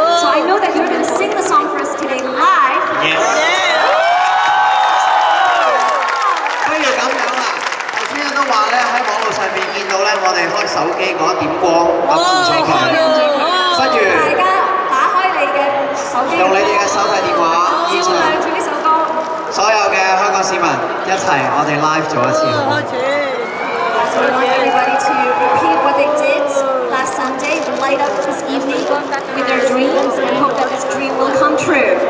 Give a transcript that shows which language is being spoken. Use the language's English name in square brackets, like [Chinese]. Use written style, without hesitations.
[English] So I know that you're going to sing the song for us today live. Yes. [Chinese] 不如這樣吧，剛才都說在網絡上看到我們開手機的點光，不如大家打開你的手機，用你們的手提電話，現場唱這首歌，所有的香港市民一起我們live 做一次。 [English] So we want everybody to repeat what they did last Sunday, light up this evening with their dreams and hope that this dream will come true.